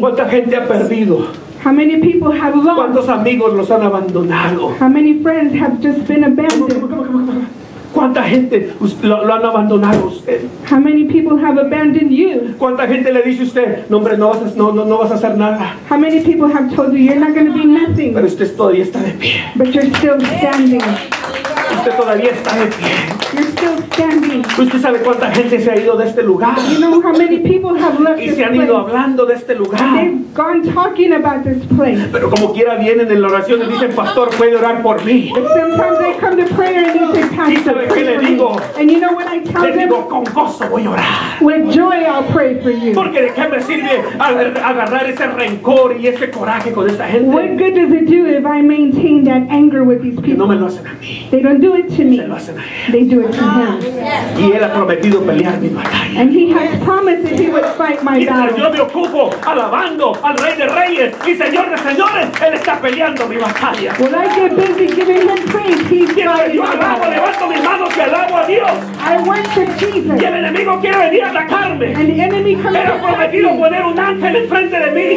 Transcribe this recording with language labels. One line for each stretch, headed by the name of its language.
Spanish: ¿Cuánta gente ha perdido?
English: How many people have lost?
Spanish: ¿Cuántos amigos los han abandonado?
English: How many friends have just been abandoned?
Spanish: ¿Cuánta gente lo han abandonado usted?
English: How many people have abandoned you?
Spanish: ¿Cuánta gente le dice usted, no hombre, no vas a, no vas a hacer nada?
English: How many people have told you you're not going to be nothing?
Spanish: Pero usted todavía está de pie.
English: But you're still standing.
Spanish: Usted todavía está de pie.
English: You're still standing.
Spanish: Usted sabe cuánta gente se ha ido de este lugar.
English: You know how many people have left this place.
Spanish: Y se han ido hablando de este lugar.
English: And they've gone talking about this place.
Spanish: Pero como quiera vienen en la oración y dicen, pastor, puede orar por mí.
English: But sometimes they come to prayer and they say, pastor, pray for me.
Spanish: ¿Y sabe qué le digo?
English: And you know what I tell them?
Spanish: Le digo, con gozo voy a orar.
English: With joy I'll pray for you.
Spanish: Porque de qué me sirve agarrar ese rencor y ese coraje con esta gente.
English: What good does it do if I maintain that anger with these people?
Spanish: No me lo hacen a mí.
English: They don't do it to me.
Spanish: Se lo hacen a él.
English: They do it to him.
Spanish: Y él ha prometido pelear mi batalla.
English: And he has promised that he would fight my battle.
Spanish: Yo me ocupo alabando al Rey de Reyes y Señor de Señores. Él está peleando mi batalla.
English: When I get busy giving him praise, he's fighting my battle.
Spanish: Yo alabo, levanto mis manos y alabo a Dios.
English: I worship Jesus.
Spanish: Y el enemigo quiere venir a atacarme.
English: And the enemy comes.
Spanish: Pero ha prometido poner un ángel enfrente de mí.